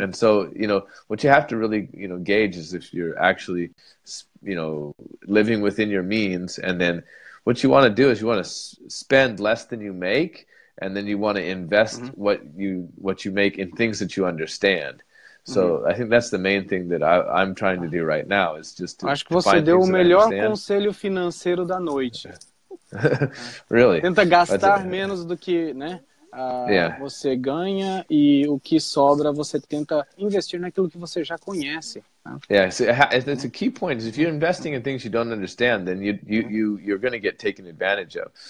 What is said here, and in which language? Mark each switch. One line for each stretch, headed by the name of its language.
English: And so, what you have to really, gauge is if you're actually, living within your means. And then what you want to do is you want to spend less than you make, and then you want to invest mm-hmm. what you make in things that you understand. So mm-hmm. I think that's the main thing that I'm trying to do right now is just to
Portuguese: acho que você deu o melhor conselho financeiro da noite.
English: Really?
Portuguese: Tenta gastar menos do que, né? Você ganha e o que sobra você tenta investir naquilo que você já conhece.
English: Yeah, it's a key point. If you're investing in things you don't understand, then you're going to get taken advantage of.